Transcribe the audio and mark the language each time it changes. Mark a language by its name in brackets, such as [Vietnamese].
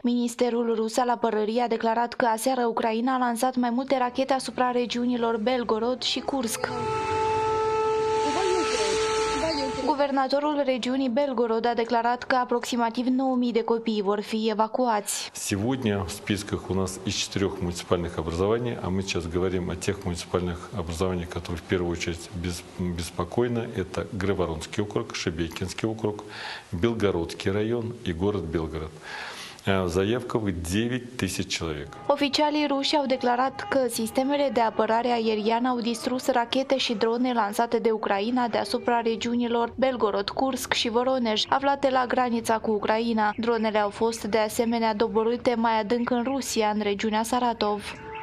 [Romanian] Ministerul rus al apărării a declarat că aseară Ucraina a lansat mai multe rachete asupra regiunilor Belgorod și Kursk. Guvernatorul regiunii Belgorod a declarat că aproximativ 9.000 de copii vor fi evacuați. [Russian] Сегодня в списках у нас из 4 муниципальных образований, а мы сейчас говорим о тех муниципальных образованиях, которые в первую очередь беспокойны. Это Грыворонский округ, Шебекинский округ, Белгородский район и город Белгород. Заявка 9000 человек. [Romanian] Oficialii ruși au declarat că sistemele de apărare aeriană au distrus rachete și drone lansate de Ucraina deasupra regiunilor Belgorod, Kursk și Voronezh, aflate la granița cu Ucraina. Dronele au fost de asemenea doborâte mai adânc în Rusia, în regiunea Saratov.